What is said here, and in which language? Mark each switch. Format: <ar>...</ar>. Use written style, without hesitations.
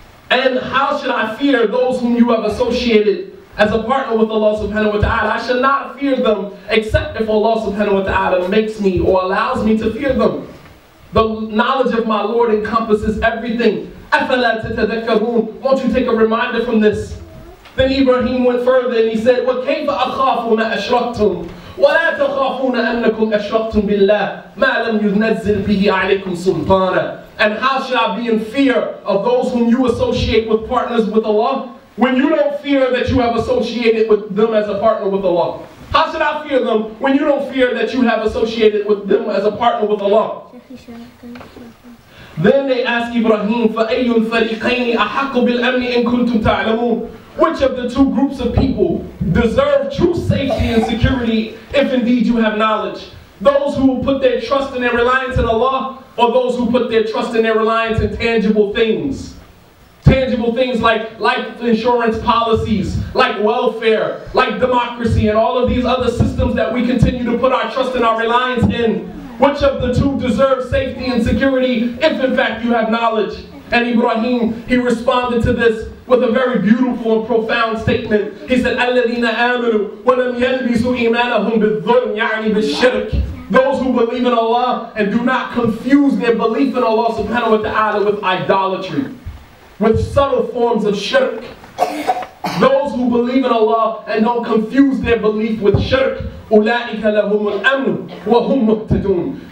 <en>And how should I fear those whom you have associated as a partner with Allah subhanahu wa ta'ala? I should not fear them except if Allah subhanahu wa ta'ala makes me or allows me to fear them. The knowledge of my Lord encompasses everything.</en> <ar>أَفَلَا تَتَذَكَّرُونَ.</ar> <en>Won't you take a reminder from this? Then Ibrahim went further and he said,</en> <ar>وَكَيْفَ أَخَافُ مَا أَشْرَكْتُمْ وَلَا تَخَافُونَ أَنَّكُمْ أَشْرَكْتُمْ بِاللَّهِ مَا لَمْ يُنَزِّلْ بِهِ عَلَيْكُمْ سُلْطَانًا.</ar> <en>And how should I be in fear of those whom you associate with partners with Allah when you don't fear that you have associated with them as a partner with Allah? How should I fear them when you don't fear that you have associated with them as a partner with Allah? Then they ask Ibrahim,</en> <ar>فَأَيُّ الْفَرِيقَيْنِ أَحَقُّ بِالْأَمْنِ إِن كُنْتُمْ تَعْلَمُونَ.</ar> <en>Which of the two groups of people deserve true safety and security if indeed you have knowledge? Those who put their trust and their reliance in Allah, or those who put their trust and their reliance in tangible things? Tangible things like life insurance policies, like welfare, like democracy, and all of these other systems that we continue to put our trust and our reliance in. Which of the two deserves safety and security if in fact you have knowledge? And Ibrahim, he responded to this with a very beautiful and profound statement. He said,</en> <ar>أَلَّذِينَ آمَنُوا وَلَمْ يَلْبِسُوا إِيمَانَهُمْ بِالظُّلْمِ يَعْنِي بِالشِّرْكِ.</ar> <en>Those who believe in Allah and do not confuse their belief in Allah subhanahu wa ta'ala with idolatry, with subtle forms of shirk. Those who believe in Allah and don't confuse their belief with shirk,</en> <ar>أُولَٰئِكَ لَهُمُ الْأَمْنُ وَهُمْ مُهْتَدُونَ.</ar>